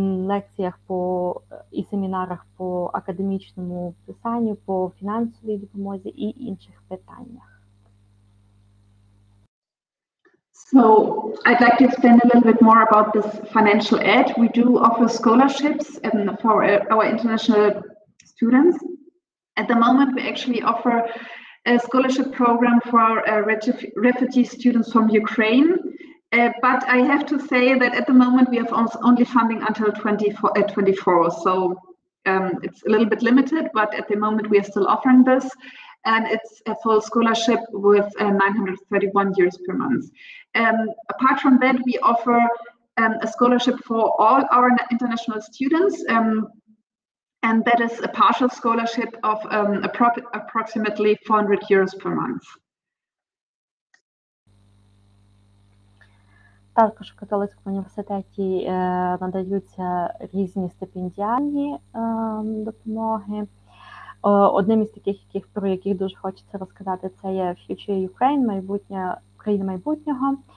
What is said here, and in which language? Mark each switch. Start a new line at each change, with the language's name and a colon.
Ukrainian: лекціях по і семінарах по академічному писанню, по фінансовій допомозі і інших питаннях.
English: So I'd like to explain a little bit more about this financial aid. We do offer scholarships for our international students. At the moment, we actually offer a scholarship program for our refugee students from Ukraine. But I have to say that at the moment, we have only funding until 24. So it's a little bit limited, but at the moment, we are still offering this. And it's a full scholarship with 931 euros per month. Apart from that, we offer a scholarship for all our international students. And that is a partial scholarship of approximately 400 euros per month.
Ukrainian: Також у Католицькому університеті надаються різні стипендіальні допомоги. Одним із таких, про яких дуже хочеться розказати, це є Future Ukraine, майбутнє, Україна майбутнього.